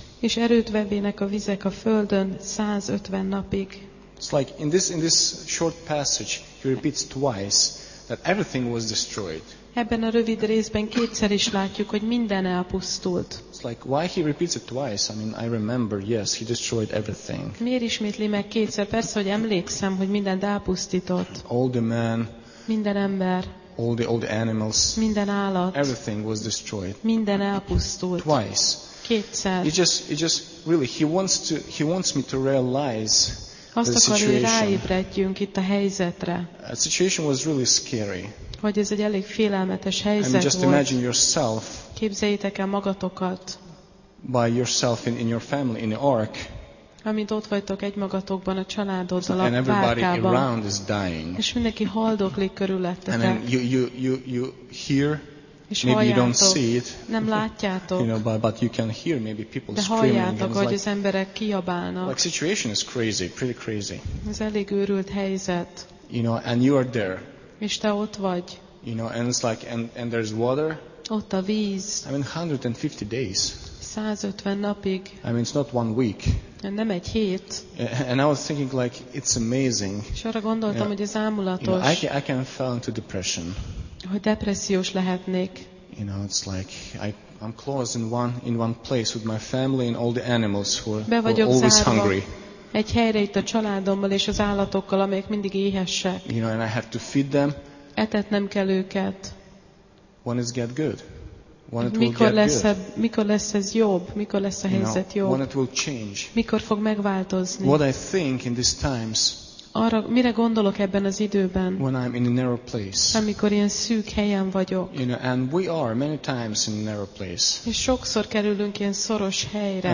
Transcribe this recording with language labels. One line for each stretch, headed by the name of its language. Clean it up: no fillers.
Hungarian: És erőt vevének a vizek a földön 150 napig.
English: It's like in this short passage he repeats twice that everything was destroyed.
Hungarian: Ebben a rövid részben kétszer is látjuk, hogy minden elpusztult.
English: It's like, why he repeats it twice? I mean, I remember, yes, he destroyed everything.
Hungarian: Miért ismétli meg kétszer? Persze, hogy emlékszem, hogy mindent elpusztított.
English: All the men.
Hungarian: Minden ember.
English: All the animals.
Hungarian: Minden állat.
English: Everything was destroyed.
Hungarian: Minden elpusztult.
English: Twice.
Hungarian: Kétszer.
English: He just really he wants me to realize.
Hungarian: Azt akar, hogy ráébredjünk itt a helyzetre.
English: A situation was really scary.
Hungarian: Hogy ez egy elég félelmetes helyzet volt.
English: Just imagine yourself.
Hungarian: Képzeljétek el magatokat.
English: By yourself in your family in the ark.
Hungarian: Amint ott vagytok egymagatokban a családoddal a párkában. És mindenki haldoklik körülöttetek.
English: And then you hear.
Hungarian: És
English: maybe you don't see it.
Hungarian: Nem látjátok.
English: You know, but you can hear maybe people
Hungarian: de
English: screaming.
Hungarian: De halljátok, hogy az emberek kiabálnak.
English: Like situation is crazy, pretty crazy.
Hungarian: Ez elég őrült helyzet.
English: You know, and you are there.
Hungarian: És te ott vagy.
English: You know, and it's like and there's water.
Hungarian: Ott a víz.
English: I mean 150 days.
Hungarian: 150 napig.
English: I mean it's not one week.
Hungarian: Nem egy hét.
English: And I was thinking like it's amazing.
Hungarian: És arra gondoltam, you know, hogy ez ámulatos.
English: You know, I can fall into depression.
Hungarian: Hogy depressziós lehetnék.
English: You know, it's like I'm closed in one place with my family and all the animals who are always hungry.
Hungarian: Egy helyre itt a családommal és az állatokkal, amelyek mindig éhesek.
English: You know, and I have to feed them.
Hungarian: Etetnem kell őket.
English: When it get good. When it
Hungarian: mikor
English: will get
Hungarian: lesz
English: good.
Hungarian: Mikor lesz ez jobb? Mikor lesz a helyzet
English: you know,
Hungarian: jobb?
English: When it will change.
Hungarian: Mikor fog megváltozni?
English: What I think in these times.
Hungarian: Arra, mire gondolok ebben az időben?
English: When I'm in a narrow place.
Hungarian: Amikor ilyen szűk helyen vagyok.
English: You know, and we are many times in a narrow place.
Hungarian: És sokszor kerülünk ilyen szoros helyre.